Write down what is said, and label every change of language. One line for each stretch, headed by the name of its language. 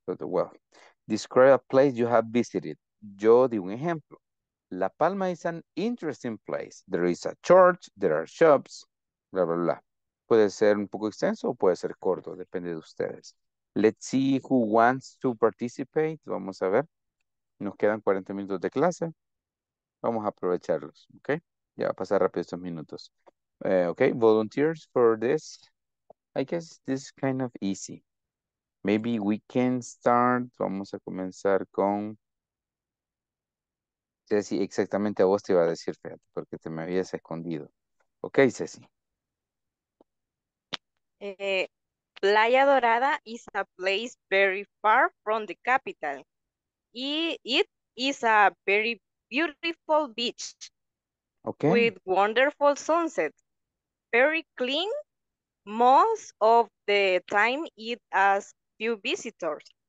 English: But, well, describe a place you have visited.
Spanish: Yo di un ejemplo.
English: La Palma is an interesting place. There is a church, there are shops, bla, bla, bla.
Spanish: Puede ser un poco extenso o puede ser corto, depende de ustedes.
English: Let's see who wants to participate.
Spanish: Vamos a ver. Nos quedan 40 minutos de clase. Vamos a aprovecharlos, ¿ok? Ya va a pasar rápido estos minutos.
English: Ok, volunteers for this. I guess this is kind of easy. Maybe we can start.
Spanish: Vamos a comenzar con... Ceci, exactamente a vos te iba a decir, fíjate, porque te me habías escondido. Ok, Ceci.
English: Playa Dorada is a place very far from the capital. It is a very beautiful beach. Okay. With wonderful sunset. Very clean. Most of the time it has few visitors.